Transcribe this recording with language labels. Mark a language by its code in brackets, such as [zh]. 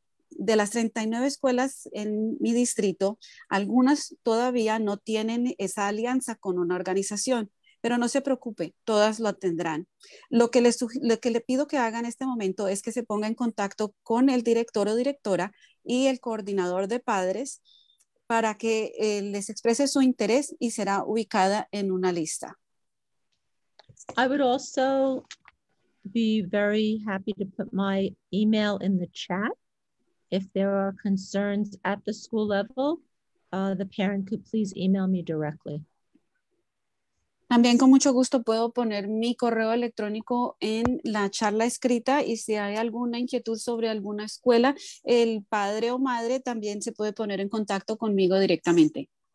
[es] de las 39 escuelas en mi distrito, algunas todavía no tienen esa alianza con una organización, pero no se preocupe, todas lo tendrán. Lo que le pido que haga en este momento es que se ponga en contacto con el director o directora y el coordinador de padres para que les exprese su interés y será ubicada en una lista. [en] I would also be very happy to put my email in the chat. If there are concerns at the school level, the parent could please email me directly. [es] También con mucho gusto puedo poner mi correo electrónico en la charla escrita y si hay alguna inquietud sobre alguna escuela, el padre o madre también se puede poner en contacto conmigo directamente.